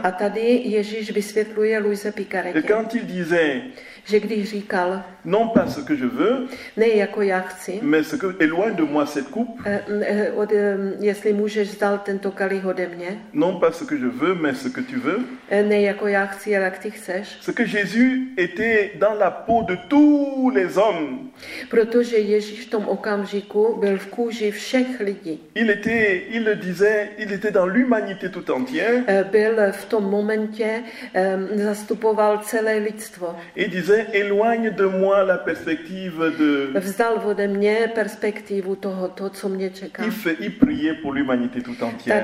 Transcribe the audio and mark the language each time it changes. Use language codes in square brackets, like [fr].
[cs] A tady Ježíš vysvětluje Luise Picaretě. [fr] Et quand il disait, [cs] že když říkal, [fr] non pas ce que je veux, [cs] ne jako já chci, [fr] mais ce que éloigne de moi cette coupe, [cs] jestli můžeš dal tento kalich ode mě, [fr] non pas ce que je veux, mais ce que tu veux, [cs] ne jako já chci, ale jak ty chceš, [fr] ce que Jésus était dans la peau de tous les hommes, [cs] protože Ježíš v tom okamžiku byl v kůži všech lidí, [fr] il était, il le disait, il était dans l'humanité tout entière, [cs] byl v tom momentě, zastupoval celé lidstvo, [fr] et disait, éloigne de moi la perspective de. [cs] Vzdal ode mě perspektivu toho, co mě čeká. [fr] Il priait pour l'humanité tout entière.